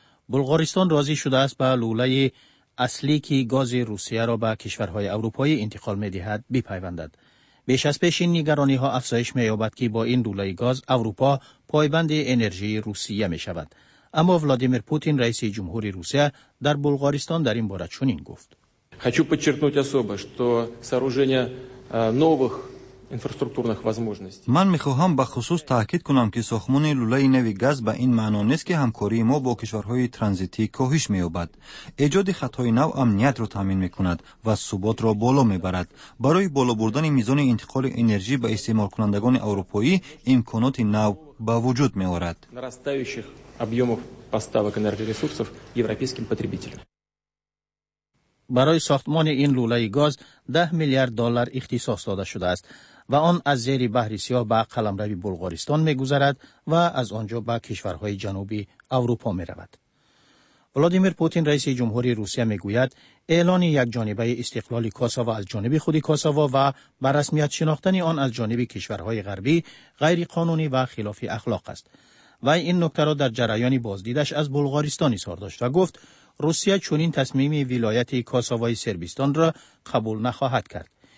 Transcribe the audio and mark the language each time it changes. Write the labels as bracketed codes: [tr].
[fa] بلغارستان راضی شده است به لوله اصلی که گاز روسیه را به کشورهای اروپایی انتقال میدهد بپیوندد. بیش از پیش این نگرانی ها افزایش می‌یابد که با این لوله گاز اروپا پایبند انرژی روسیه می‌شود. اما ولادیمیر پوتین رئیس جمهور روسیه در بلغارستان در این باره چنین گفت: [ru] хочу подчеркнуть особо, что сооружение новых инфраструктурных возможностей. [fa] من می‌خواهم به خصوص تاکید کنم که ساختمان لوله نو گاز به این معنا نیست که همکاری ما با کشورهای ترانزیتی کاهش می‌یابد. ایجاد خط‌های نو امنیت را تضمین می‌کند و ثبات را بالا می‌برد. برای بالا بردن میزان انتقال انرژی به استعمال کنندگان اروپایی امکانات نو به وجود می‌آورد. [ru] нарастающих объёмов поставок энергоресурсов европейским потребителям. [fa] برای ساختمان این لوله گاز 10 میلیارد دلار اختصاص داده شده است و آن از زیر بحر سیاه به قلمرو بلغارستان می گذرد و از آنجا به کشورهای جنوبی اروپا می رود. ولادیمیر پوتین رئیس جمهوری روسیه می گوید اعلان یک جانبه استقلال کوسوو از جانب خود کوسوو و به رسمیت شناختن آن از جانب کشورهای غربی غیر قانونی و خلاف اخلاق است و این نکته را در جریان بازدیدش از بلغارستان اظهار داشت و گفت روسیه چنین تصمیمی ولایت کوسوو سربستان را قبول نخواهد کرد.